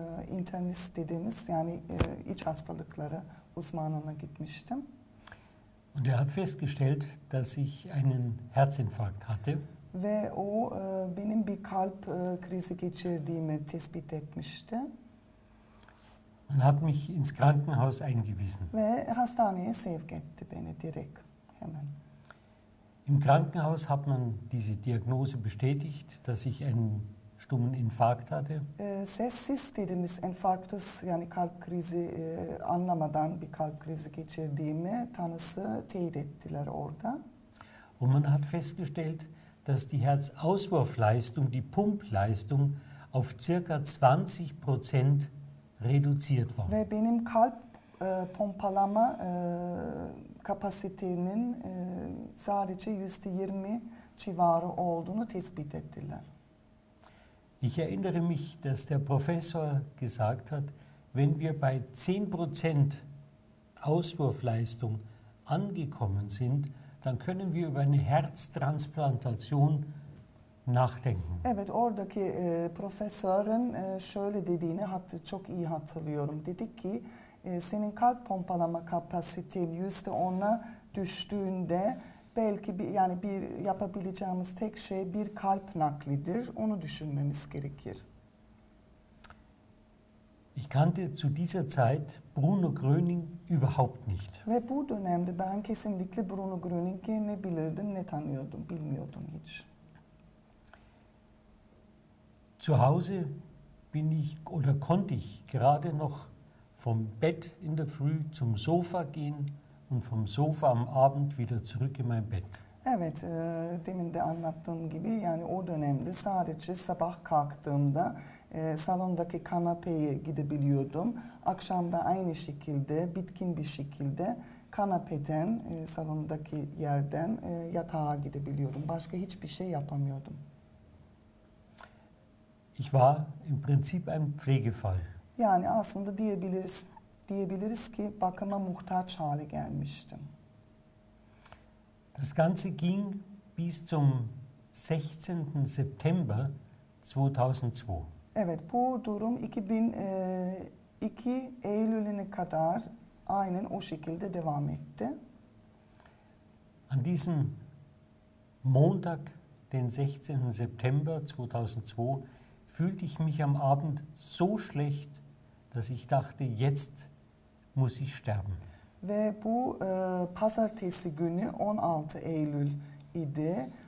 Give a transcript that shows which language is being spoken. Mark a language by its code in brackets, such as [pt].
[tr] İnternist dediğimiz, yani iç hastalıkları uzmanına gitmiştim. [de] Und er hat festgestellt, dass ich einen Herzinfarkt hatte. [tr] Ve o benim bir kalp krizi geçirdiğimi tespit etmişti. [de] Und hat mich ins Krankenhaus eingewiesen. [tr] Ve hastaneye sevk etti beni direkt hemen. [de] Im Krankenhaus hat man diese Diagnose bestätigt, dass ich einen stummen Infarkt hatte. [tr] Sessiz dediğimiz enfarktus, yani kalp krizi anlamadan bir kalp krizi geçirdiğimi tanısı teyit ettiler orada. [de] Und man hat festgestellt, dass die Herzauswurfleistung, die Pumpleistung auf circa 20% reduziert war. [tr] Ve benim kalp pompalama kapasitenin sadece %20 civarı olduğunu tespit ettiler. [de] Ich erinnere mich, dass der Professor gesagt hat, wenn wir bei 10% Auswurfleistung angekommen sind, dann können wir über eine Herztransplantation nachdenken. [tr] Evet, oradaki Professorin şöyle dediğini çok iyi hatırlıyorum. Dedi ki, senin kalp pompalama kapasiten %10'a düştüğünde belki bir, yani bir yapabileceğimiz tek şey bir kalp naklidir. Onu düşünmemiz gerekir. [de] Ich kannte zu dieser Zeit Bruno Gröning überhaupt nicht. [tr] Ve bu dönemde ben kesinlikle Bruno Gröning'i ne bilirdim ne tanıyordum, bilmiyordum hiç. [de] Zu Hause bin ich oder konnte ich gerade noch vom Bett in der Früh zum Sofa gehen und vom Sofa am Abend wieder zurück in mein Bett. [tr] Evet, demin de anlattığım gibi yani o dönemde sadece sabah kalktığımda salondaki kanapeye gidebiliyordum. Akşam da aynı şekilde bitkin bir şekilde kanapeden, salondaki yerden yatağa gidebiliyordum. Başka hiçbir şey yapamıyordum. [de] Ich war im Prinzip ein Pflegefall. [tr] Yani aslında diyebiliriz ki bakıma muhtaç hale gelmiştim. [de] Das Ganze ging bis zum 16. September 2002. [tr] Evet, bu durum 2002 Eylül'üne kadar aynen o şekilde devam etti. [de] An diesem Montag, den 16. September 2002, fühlte ich mich am Abend so schlecht, dass ich dachte, jetzt muss ich sterben. [tr] Ve bu pazartesi günü 16 Eylül idi.